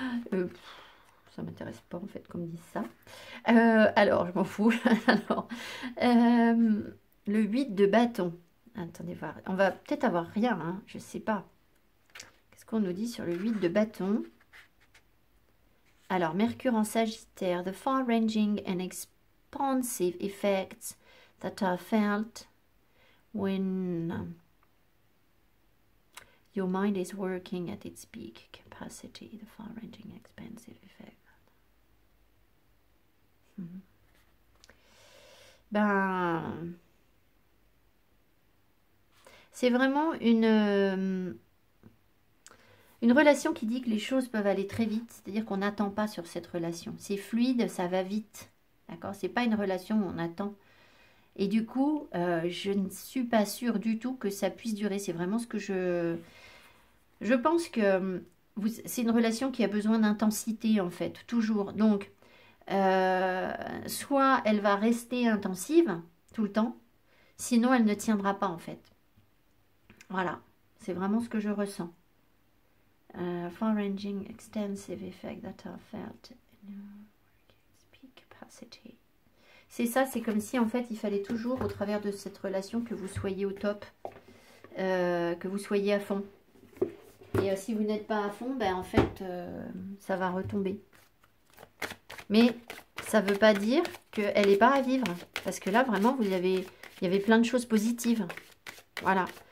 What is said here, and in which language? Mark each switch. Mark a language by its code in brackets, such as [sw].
[fr] Ça ne m'intéresse pas en fait qu'on me dise ça. Alors, je m'en fous. Alors, le 8 de bâton. Attendez voir. On va peut-être avoir rien. Hein. Je ne sais pas. On nous dit sur le 8 de bâton. Alors, Mercure en Sagittaire, [en] the far-ranging and expansive effects that are felt when your mind is working at its peak capacity, the far-ranging expansive effect. [fr] Ben, c'est vraiment une relation qui dit que les choses peuvent aller très vite, c'est-à-dire qu'on n'attend pas sur cette relation. C'est fluide, ça va vite. D'accord? C'est pas une relation où on attend. Et du coup, je ne suis pas sûre du tout que ça puisse durer. C'est vraiment ce que je pense que vous, c'est une relation qui a besoin d'intensité, en fait, toujours. Donc, soit elle va rester intensive tout le temps, sinon elle ne tiendra pas, en fait. Voilà. C'est vraiment ce que je ressens. [en] Far-ranging extensive effect that are felt peak capacity. [fr] C'est ça, c'est comme si en fait il fallait toujours au travers de cette relation que vous soyez au top, que vous soyez à fond. Et si vous n'êtes pas à fond, ben en fait ça va retomber. Mais ça ne veut pas dire qu'elle n'est pas à vivre. Parce que là vraiment, vous avez, il y avait plein de choses positives. Voilà.